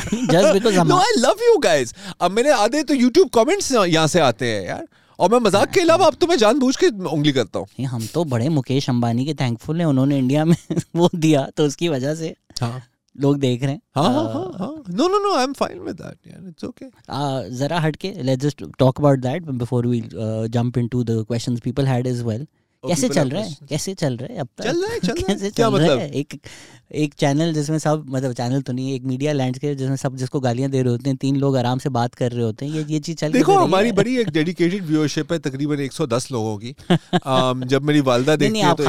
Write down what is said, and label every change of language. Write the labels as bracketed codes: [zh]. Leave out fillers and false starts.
[en] Just because no, I love you guys. [ur] اب میرے آدھے تو یوٹیوب کامنٹس یہاں سے آتے ہیں یار, اور میں مزاق کے علاوہ اب تو میں جان بوجھ کے انگلی کرتا ہوں. ہم تو بڑے مکیش امبانی کے تھینک فل ہیں, انہوں نے انڈیا میں وہ دیا تو اس کی وجہ سے لوگ دیکھ رہے ہیں. [en] No, I'm fine with that. It's okay. [ur] ذرا ہٹ کے [en] let's just talk about that before we jump into the questions people had as well. [ur] کیسے چل رہا ہے, کیسے چل رہا ہے اب تک, چل رہا ہے, چل رہا ہے, کیا مطلب, ایک ایک چینل جس میں سب, مطلب چینل تو نہیں, ایک میڈیا لینڈسکیپ جس میں سب جس کو گالیاں دے رہے ہوتے ہیں, تین لوگ آرام سے بات کر رہے ہوتے ہیں, یہ چیز چل رہی ہے. دیکھو ہماری بڑی ایک ڈیڈیکیٹڈ ویورشپ ہے تقریباً 110 لوگوں کی, جب میری والدہ دیکھتی ہے تو. آپ